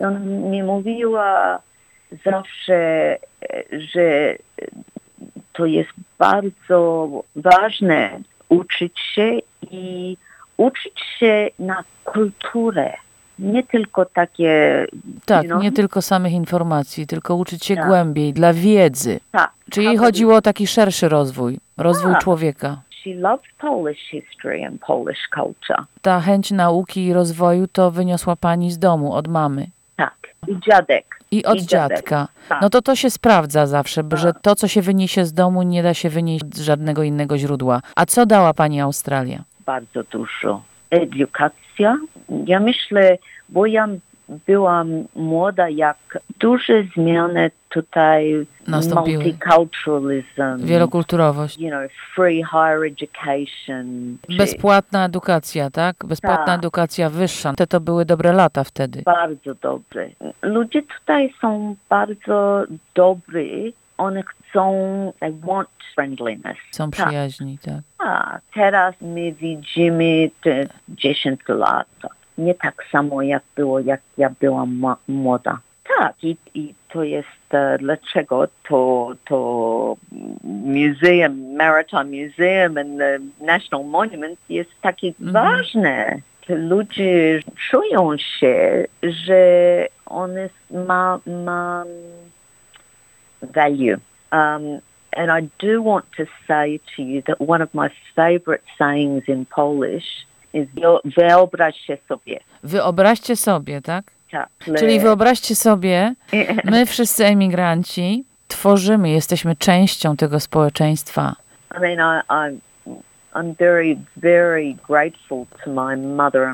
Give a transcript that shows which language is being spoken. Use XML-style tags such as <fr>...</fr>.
<pl>I ona mi mówiła zawsze, że to jest bardzo ważne uczyć się i uczyć się na kulturę. Nie tylko takie... Tak,</pl> <en>you know?</en> <pl>Nie tylko samych informacji, tylko uczyć się tak. głębiej, dla wiedzy. Tak. Czyli jej chodziło o taki szerszy rozwój, rozwój tak. człowieka.</pl> <en>She loved Polish history and Polish culture.</en> <pl>Ta chęć nauki i rozwoju to wyniosła pani z domu, od mamy. Tak, i dziadek. I dziadka. Tak. No to się sprawdza zawsze, bo tak. że to, co się wyniesie z domu, nie da się wynieść z żadnego innego źródła. A co dała pani Australia? Bardzo dużo. Edukacja. Ja myślę, bo ja byłam młoda, jak duże zmiany tutaj nastąpiły.</pl> <en>Multiculturalism.</en> <pl>Wielokulturowość.</pl> <en>You know, free higher education.</en> <pl>Bezpłatna edukacja, tak? Bezpłatna edukacja wyższa. Te to były dobre lata wtedy. Bardzo dobre. Ludzie tutaj są bardzo dobry. One chcą,</pl> <en>they want friendliness.</en> <pl>Są przyjaźni, tak. Teraz my widzimy te 10 lat. Nie tak samo jak było, jak ja byłam młoda. Tak, i to jest dlaczego to museum, Maritime Museum and the National Monument jest takie ważne. Ludzie czują się, że one ma value.</pl> <en>And I do want to say to you that one of my favorite sayings in Polish is</en> <pl>wyobraźcie sobie. Wyobraźcie sobie, tak? Czyli wyobraźcie sobie, my wszyscy emigranci tworzymy, jesteśmy częścią tego społeczeństwa.</pl> <en>I mean, I'm very, very grateful to my mother.</en>